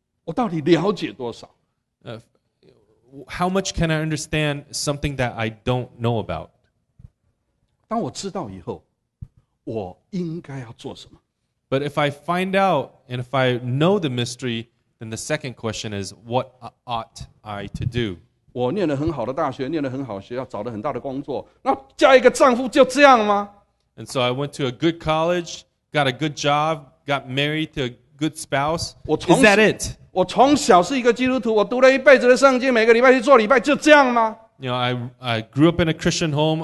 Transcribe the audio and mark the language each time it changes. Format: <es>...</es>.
<en>how much can I understand something that I don't know about?</en> <zh>当我知道以后,</zh> <en>but if I find out and if I know the mystery, then the second question is, what ought I to do?</en> <zh>我念了很好的大学, 念了很好学校, 找了很大的工作, 那嫁一个丈夫就这样吗?</zh> <en>And so I went to a good college, got a good job, got married to a good spouse.</en> <zh>我从,</zh> <en>is that it?</en> <zh>我从小是一个基督徒, 我读了一辈子的圣经, 每个礼拜去做礼拜, 就这样吗?</zh> <en>You know, I grew up in a Christian home.</en>